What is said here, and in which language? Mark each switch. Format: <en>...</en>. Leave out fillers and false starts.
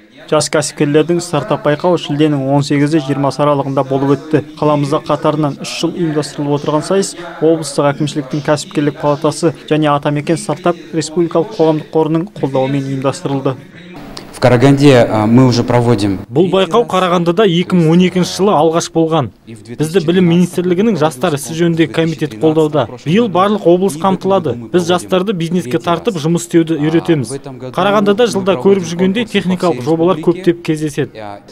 <kk>Жас кәсіпкерлердің стартап байқауы шілденің 18-20 аралығында болып өтті. Қаламызда қатарынан 3 жыл ұйымдастырылып отырған сайыс облыстық әкімшіліктің кәсіпкерлік палатасы және Атамекен стартап республикалық қоғамдық қорының қолдауымен ұйымдастырылды.</kk> <ru>Караганде мы уже проводим.</ru> <kk>Бұл байқау Қарағандыда 2012 жылы алғаш болған. Бізді Білім министрлігінің жастар ісі жөніндегі комитет қолдауда. Биыл барлық облыс қамтылады. Біз жастарды бизнеске тартып, жұмыс істеуді үйретеміз. Қарағандыда жылда көріп жүргендей техникалық жобалар көптеп кездеседі.</kk>